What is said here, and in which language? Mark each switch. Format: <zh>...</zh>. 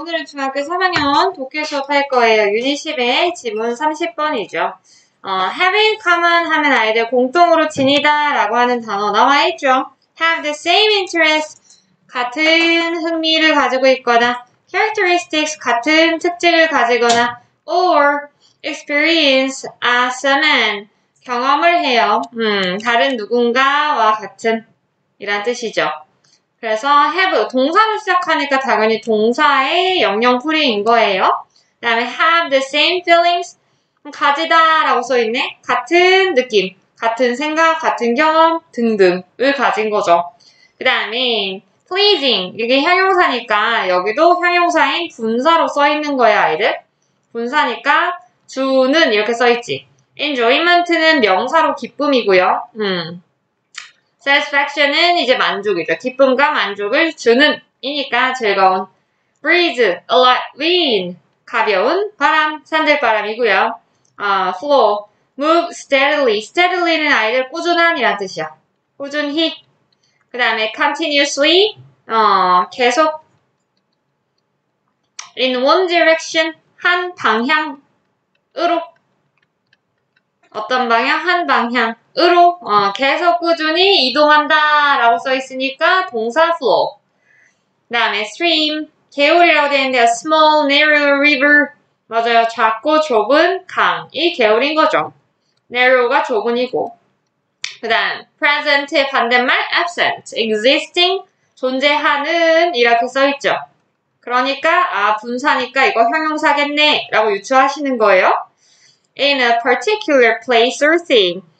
<ko>오늘은 중학교 3학년 독해수 할 거예요. 유닛 10의 지문 30번이죠.</ko> <en>Having common</en> <ko>하면 아이들 공통으로 지니다라고 하는 단어 나와 있죠.</ko> <en>Have the same interest</en> <ko>같은 흥미를 가지고 있거나</ko> <en>characteristics</en> <ko>같은 특징을 가지거나</ko> <en>or experience as a man</en> <ko>경험을 해요. 다른 누군가와 같은 이란 뜻이죠. 그래서 have 동사로 시작하니까 당연히 동사의 영영풀이인 거예요. 그다음에</ko> <en>have the same feelings</en> <ko>가지다라고 써 있네. 같은 느낌, 같은 생각, 같은 경험 등등을 가진 거죠. 그다음에 pleasing 이게 형용사니까 여기도 형용사인 분사로 써 있는 거야, 아이들. 분사니까 주는 이렇게 써 있지. enjoyment는 명사로 기쁨이고요. Satisfaction은 이제 만족이죠. 기쁨과 만족을 주는 이니까 즐거운.</ko> <en>Breeze, a light wind,</en> <ko>가벼운 바람, 산들바람이고요.</ko> <en>Flow, move steadily.</en> <ko>Steadily는 아이들 꾸준한이란 뜻이야. 꾸준히. 그 다음에 continuously, 계속.</ko> <en>In one direction,</en> <ko>한 방향으로. 어떤 방향? 한 방향으로 계속 꾸준히 이동한다 라고 써 있으니까 동사 flow. 그 다음에</ko> <en>stream,</en> <ko>개울이라고 되는데</ko> <en>a small narrow river.</en> <ko>맞아요. 작고 좁은 강이 개울인 거죠. narrow가 좁은이고. 그 다음 present의 반대말 absent, existing, 존재하는 이렇게 써 있죠. 그러니까 아 분사니까 이거 형용사겠네 라고 유추하시는 거예요.</ko> <en>In a particular place or thing.</en>